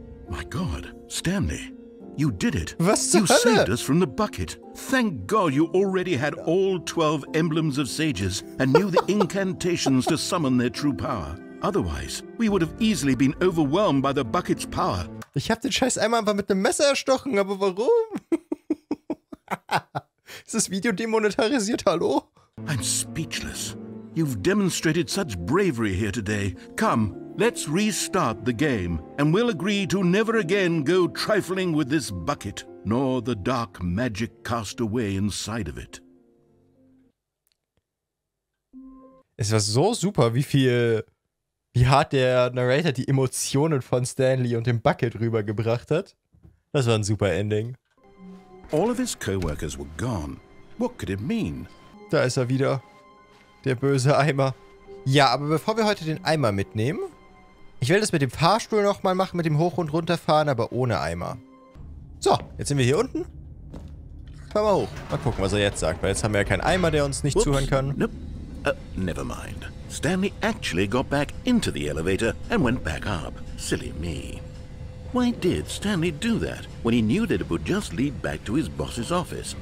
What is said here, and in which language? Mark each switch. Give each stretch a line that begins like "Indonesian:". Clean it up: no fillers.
English: My God, Stanley, you did it.
German: Was zur
English: you
German: Hölle?
English: You saved us from the bucket. Thank God you already had all 12 emblems of sages and knew the incantations to summon their true power. Otherwise, we would have easily been overwhelmed by the bucket's power.
German: Ich hab den Scheiß einmal einfach mit einem Messer erstochen, aber warum? Ist das Video demonetarisiert, hallo?
English: I'm speechless. You've demonstrated such bravery here today. Come, let's restart the game, and we'll agree to never again go trifling with this bucket, nor the dark magic cast away inside of it.
German: Es war so super, wie hart der Narrator die Emotionen von Stanley und dem Bucket rübergebracht hat. Das war ein super Ending.
English: All of his co-workers were gone. What could it mean?
German: Da ist er wieder. Der böse Eimer. Ja, aber bevor wir heute den Eimer mitnehmen, ich will das mit dem Fahrstuhl nochmal machen, mit dem Hoch- und Runterfahren, aber ohne Eimer. So, jetzt sind wir hier unten. Fahr mal hoch. Mal gucken, was er jetzt sagt, weil jetzt haben wir ja keinen Eimer, der uns nicht
English: Oops.
German: Zuhören kann.
English: Nope. Never mind. Stanley actually got back into the elevator and went back up. Silly me. Why did Stanley do that when he knew that it would just lead back to his boss's office?